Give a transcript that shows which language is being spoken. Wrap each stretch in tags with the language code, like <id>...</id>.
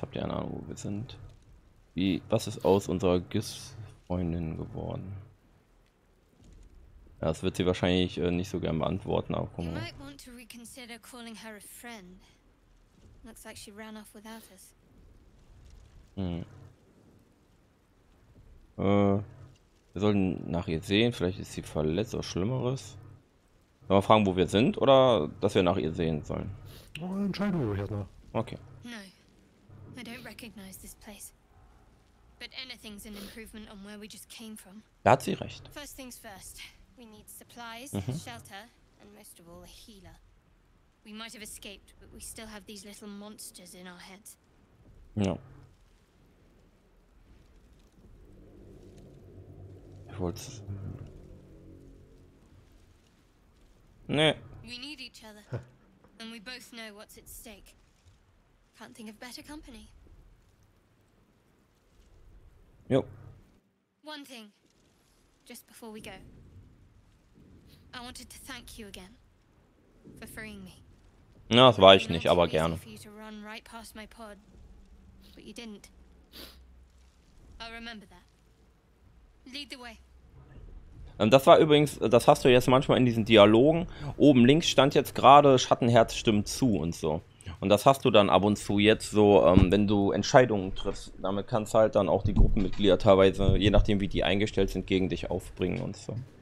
<de>Habt ihr eine Ahnung, wo wir sind? Wie, was ist aus unserer Gis-Freundin geworden? Ja, das wird sie wahrscheinlich nicht so gern beantworten, aber guck mal. Vielleicht möchte sie</de> <en>reconsider calling her a friend. Looks like she ran off without us.</en> <de>Wir sollten nach ihr sehen, vielleicht ist sie verletzt oder Schlimmeres. Sollen wir mal fragen, wo wir sind oder dass wir nach ihr sehen sollen? Oh, entscheide ich jetzt noch. Okay. Nein, ich</de> <en>recognize this place. But anything's an improvement on where we just came from.</en> <de>Da hat sie recht.</de> <en>First things first. We need supplies, shelter, and most of all a healer. We might have escaped, but we still have these little monsters in our heads.</en> <de>Ja. Ich wollte. Nee.</de> <en>We need each other. And we both know what's at stake. Can't think of better company.</en> <de>Jo.</de> <en>One thing, just before we go. I wanted to thank you again for freeing me.</en> <de>Na, das war ich nicht, aber gerne.</de> <en>For you to run right past my pod, but you didn't. I'll remember that. Lead the way.</en> <de>Das war übrigens, das hast du jetzt manchmal in diesen Dialogen. Oben links stand jetzt gerade Schattenherz stimmt zu und so. Und das hast du dann ab und zu jetzt so, wenn du Entscheidungen triffst. Damit kannst du halt dann auch die Gruppenmitglieder teilweise, je nachdem wie die eingestellt sind, gegen dich aufbringen und so.</de>